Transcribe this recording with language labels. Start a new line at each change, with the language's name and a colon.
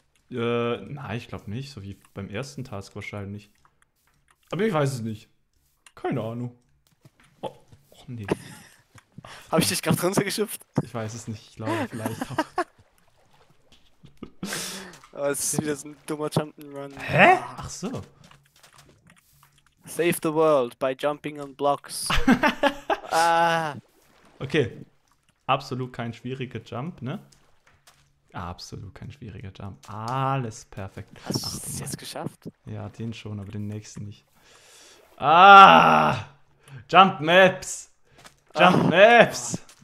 German: Nein, ich glaube nicht. So wie beim ersten Task wahrscheinlich. Aber ich weiß es nicht. Keine Ahnung. Oh nee. Habe ich dich gerade drunter geschüpft? Ich weiß es nicht. Ich glaube vielleicht auch. Oh, es ist wieder so ein dummer Jump'n'Run. Hä? Ach so.
English: Save the world by jumping on blocks.
German: Okay. Absolut kein schwieriger Jump, ne? Absolut kein schwieriger Jump. Alles perfekt. Hast du es jetzt geschafft? Ja, den schon, aber den nächsten nicht. Ah! Jump Maps! Jump Maps!